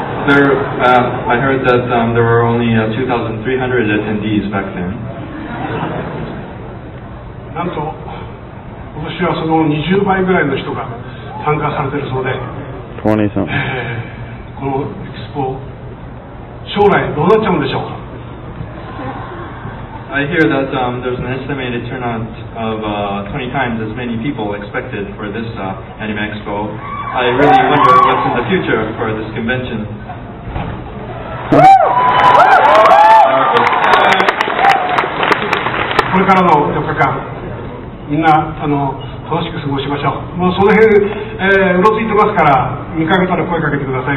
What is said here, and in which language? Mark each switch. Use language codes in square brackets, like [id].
[en] There, I heard that there were only 2,300 attendees back then. [ja] なんと、今年はその20倍ぐらいの人が参加されてるそうで。 20さん。このエキスポ、将来どうなっちゃうんでしょうか。 [en] I hear that there's an estimated turnout of 20 times as many people expected for this Anime Expo. I really wonder what's in the future for this convention. [ja] これからの4日間、みんな楽しく過ごしましょう。もうその辺、うろついてますから、見かけたら声かけてください。